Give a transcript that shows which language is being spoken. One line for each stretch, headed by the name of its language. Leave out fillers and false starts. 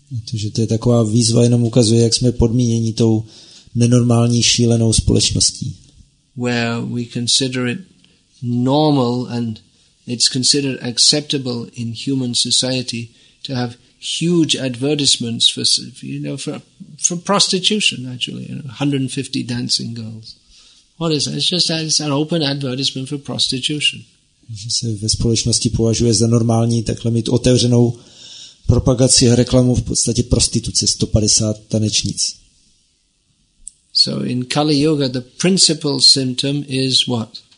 Czech: Takže to je taková výzva, jenom ukazuje, jak jsme podmíněni tou nenormální, šílenou společností.
English: Where we consider it normal and it's considered acceptable in human society to have huge advertisements for prostitution, actually, you know, 150 dancing girls. What is that? It's an open advertisement for prostitution.
Czech: Že se ve společnosti považuje za normální takhle mít otevřenou propagaci a reklamu v podstatě prostituce, 150 tanečnic.
English: So in Kali Yuga the principal symptom is what?